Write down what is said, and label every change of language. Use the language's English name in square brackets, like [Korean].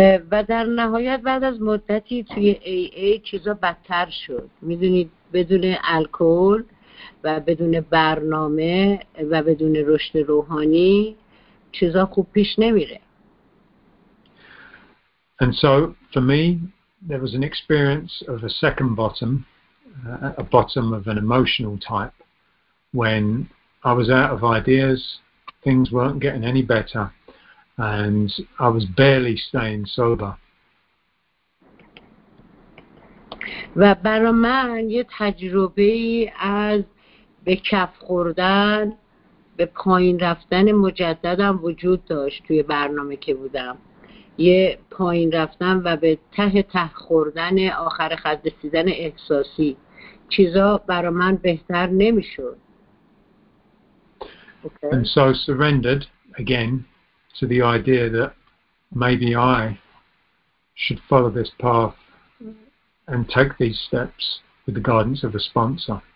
[Persian] و در نهایت بعد از مدتی توی AA چیزا بدتر شد. میدونید بدون الکل و بدون برنامه و بدون رشد روحانی چیزا خوب پیش نمیره. [English] And so for me there was an experience of a second bottom, a bottom of an emotional type, when I was out of ideas, things weren't getting any better. And I was barely staying sober. [Persian] و برای من یه تجربه از به کف خوردن، به پایین رفتن مجددم وجود داشت توی برنامه که بودم. یه پایین رفتن و به ته خوردن، آخر خط رسیدن احساسی. چیزا برای من بهتر نمی‌شد. [English] Okay. And so surrendered again to the idea that maybe I should follow this path and take these steps with the guidance of a sponsor.